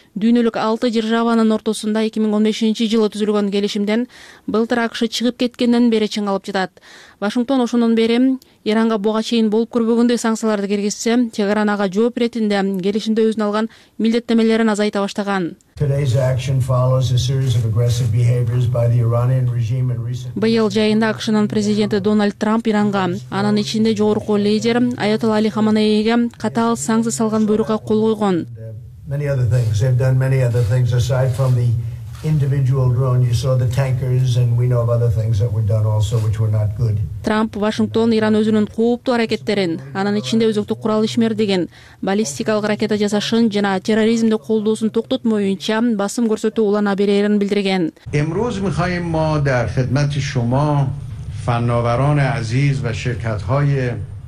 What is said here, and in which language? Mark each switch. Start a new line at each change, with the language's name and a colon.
Kyrgyz: Дүйнөлүк 6 державанын ортосунда 2015 жылы түзүлгөн келишимден былтыр АКШ чыгып кеткенден бери чыңалып жатат. Вашингтон ошондон бери Иранга буга чейин болуп көрбөгөндөй санкцияларды киргизсе, Тегеран ага жооп иретинде келишимде өзүн алган милдеттемелерин азайта баштаган.
English: Today's action follows a series of aggressive behaviors by the Iranian regime in recent.
Kyrgyz: Быйыл жайында АКШ-нын президенти Дональд Трамп Иранга, анын ичинде жогорку лидер Аятолла Али Хаманеиге катаал санкция салган буйрукка кол койгон.
English: Many other things. They've done many other things aside from the individual drone. You saw the tankers and we know of other things that were done also which were not good.
Kyrgyz: Трамп Вашингтон Иран өзүнүн кооптуу аракеттерин, анын ичинде өзөктүк курал ишмердигин, баллистикалык ракета жасашын жана терроризмди колдоосун токтотмоюнча басым көрсөтүү улана берерин билдирген.
Tajik: Эмроз михайим мо дар хизмати шума фанноваран азиз ва ширкатҳои